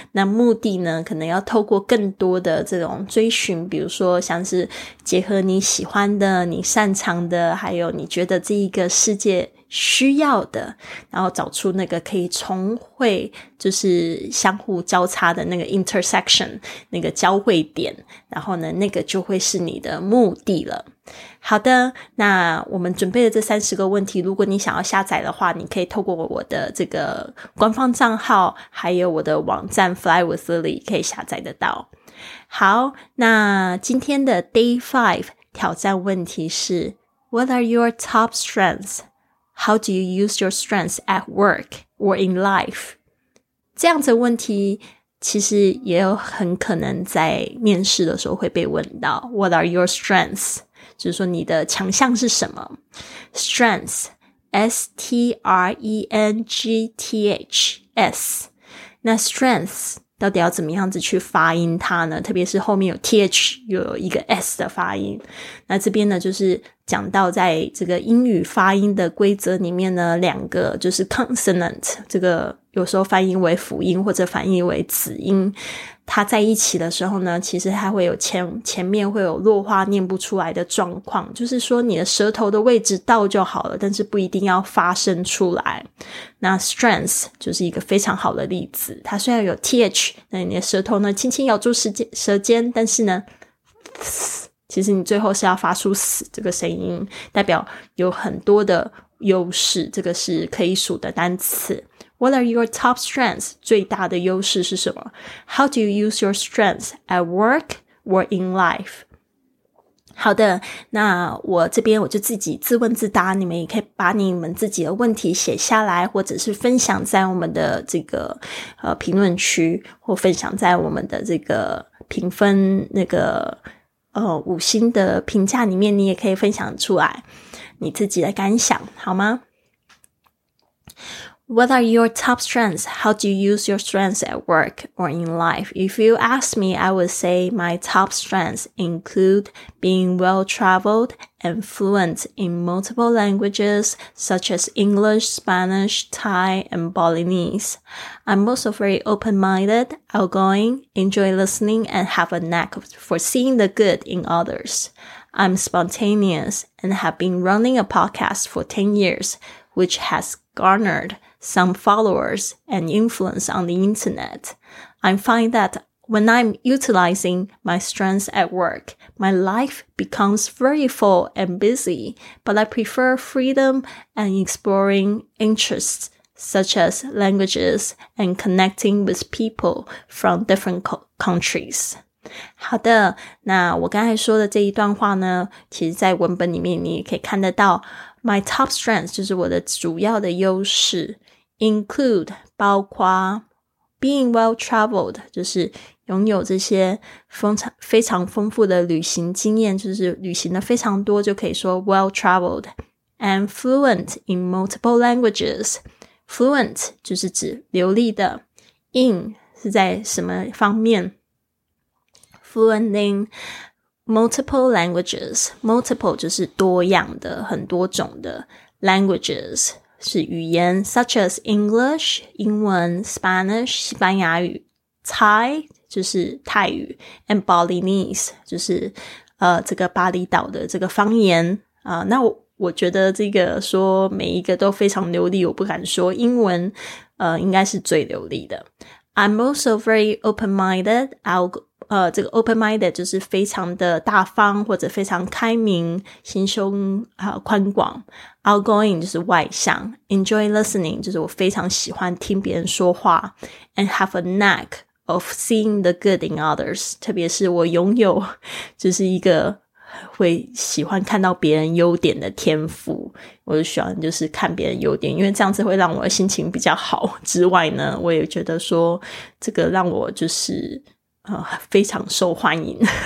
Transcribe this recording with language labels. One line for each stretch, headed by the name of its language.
Chinese: 那目的呢可能要透过更多的这种追寻，比如说像是结合你喜欢的，你擅长的，还有你觉得这一个世界需要的，然后找出那个可以重汇，就是相互交叉的那个 intersection， 那个交汇点，然后呢那个就会是你的目的了。好的，那我们准备的这30个问题，如果你想要下载的话，你可以透过我的这个官方账号还有我的网站 Fly with Lily 可以下载得到。好，那今天的 Day 5 挑战问题是
English: What are your top strengths? How do you use your strengths at work or in life?
Chinese: 这样子的问题其实也有很可能在面试的时候会被问到。
English: What are your strengths?
Chinese: 就是说你的强项是什么？
English: Strengths, S-T-R-E-N-G-T-H-S。
Chinese: 那 strengths 到底要怎么样子去发音它呢？特别是后面有 th 又有一个 s 的发音。那这边呢就是讲到在这个英语发音的规则里面呢，两个就是 consonant， 这个有时候翻译为辅音或者翻译为子音，它在一起的时候呢，其实它会有前面会有落花念不出来的状况，就是说你的舌头的位置到就好了，但是不一定要发声出来。那 strength 就是一个非常好的例子，它虽然有 th， 那你的舌头呢轻轻咬住舌尖，但是呢其实你最后是要发出死这个声音，代表有很多的优势，这个是可以数的单词。
English: What are your top strengths?
Chinese: 最大的优势是什么？
English: How do you use your strengths at work or in life?
Chinese: 好的，那我这边我就自己自问自答，你们也可以把你们自己的问题写下来，或者是分享在我们的这个评论区，或分享在我们的这个评分那个五星的评价里面，你也可以分享出来你自己的感想，好吗？
English: What are your top strengths? How do you use your strengths at work or in life? If you ask me, I would say my top strengths include being well-traveled and fluent in multiple languages such as English, Spanish, Thai, and Balinese. I'm also very open-minded, outgoing, enjoy listening, and have a knack for seeing the good in others. I'm spontaneous and have been running a podcast for 10 years, which has garnered some followers and influence on the internet. I find that when I'm utilizing my strengths at work, my life becomes very full and busy, but I prefer freedom and exploring interests such as languages and connecting with people from different countries.
Chinese: 好的，那我刚才说的这一段话呢，其实在文本里面你也可以看得到。
English: My top strengths
Chinese: 就是我的主要的优势，
English: include
Chinese: 包括
English: being well-traveled
Chinese: 就是拥有这些非常丰富的旅行经验，就是旅行的非常多，就可以说
English: well-traveled and fluent in multiple languages. Fluent
Chinese: 就是指流利的， in 是在什么方面，
English: fluent in multiple languages. Multiple
Chinese: 就是多样的，很多种的，
English: languages
Chinese: 是语言，
English: such as English
Chinese: 英文， Spanish 西班牙语， Thai就是泰语，
English: and Balinese
Chinese: 就是这个巴厘岛的这个方言啊。那 我觉得这个说每一个都非常流利，我不敢说英文应该是最流利的。
English: I'm also very open-minded. Open-minded
Chinese: 就是非常的大方或者非常开明，心胸宽广。
English: Outgoing
Chinese: 就是外向。
English: Enjoy listening
Chinese: 就是我非常喜欢听别人说话。
English: And have a knack of seeing the good in others.
Chinese: 特别是我拥有就是一个会喜欢看到别人优点的天赋，我就喜欢就是看别人优点，因为这样子会让我的心情比较好。之外呢，我也觉得说这个让我就是非常受欢迎。